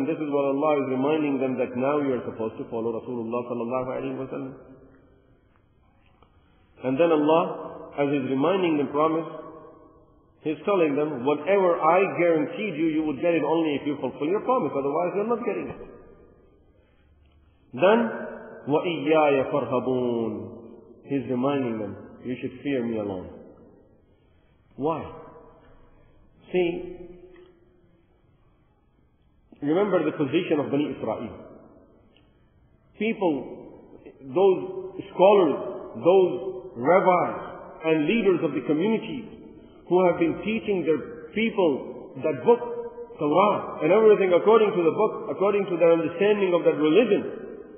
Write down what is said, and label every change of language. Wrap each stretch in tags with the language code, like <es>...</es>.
<en>And this is what Allah is reminding them, that now you are supposed to follow Rasulullah sallallahu alayhi wa sallam. And then Allah, as He's reminding the promise, He's telling them, whatever I guaranteed you, you would get it only if you fulfill your promise. Otherwise, you're not getting it.</en> <ar>Then, وَإِيَّايَ فَرْهَبُونَ.</ar> <en>He's reminding them, you should fear me alone. Why? See, remember the position of Bani Israel. People, those scholars, those rabbis and leaders of the community who have been teaching their people that book, Torah, and everything according to the book, according to their understanding of that religion.</en>